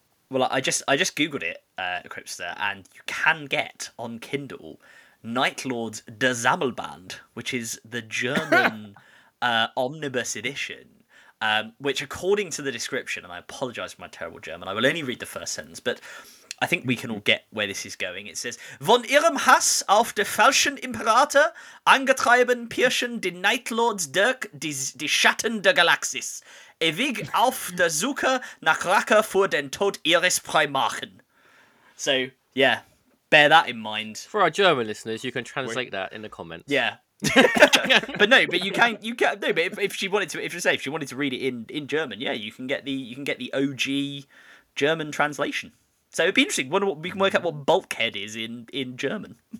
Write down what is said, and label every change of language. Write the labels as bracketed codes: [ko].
[en] Well, I just Googled it, Cripster, and you can get on Kindle Night Lords de Zammelband, which is the German omnibus edition, which, according to the description, and I apologise for my terrible German, I will only read the first sentence, but... I think we can all get where this is going. [de] It says, Von ihrem Hass auf der falschen Imperator angetrieben pirschen die Nightlords Dirk die Schatten der Galaxis. Ewig auf der Suche nach Rache vor den Tod ihres Primarchen. [en] So, yeah. bear that in mind. For our German listeners, you can translate that in the comments. Yeah. But no, but you can't. You can't. No, but if she wanted to, if you say if she wanted to read it in German, yeah, you can get the OG German translation. So it'd be interesting. Wonder what we can work out what bulkhead is in German.